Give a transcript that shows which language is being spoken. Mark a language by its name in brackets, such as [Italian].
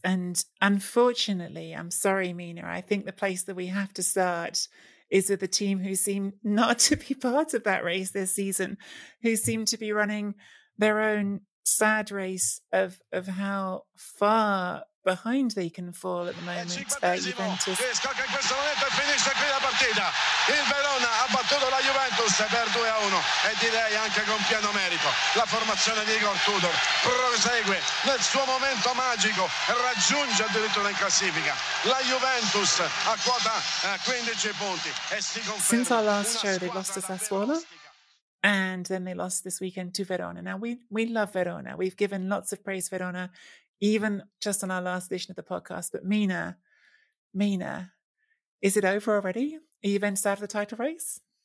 [English] And unfortunately, I'm sorry, Mina, I think the place that we have to start is with the team who seem not to be part of that race this season, who seem to be running their own sad race of how far behind they can fall at the moment. Juventus. [Italian] Il Verona ha battuto la Juventus per 2-1 e direi anche con pieno merito. La formazione di Igor Tudor prosegue nel suo momento magico, raggiunge addirittura in classifica la Juventus a quota 15 punti e si conferma. [English] Since our last show, they lost to Sassuolo, and then they lost this weekend to Verona. Now we love Verona. We've given lots of praise to Verona, even just on our last edition of the podcast. But Mina, is it over already? Are Juventus out of the title race?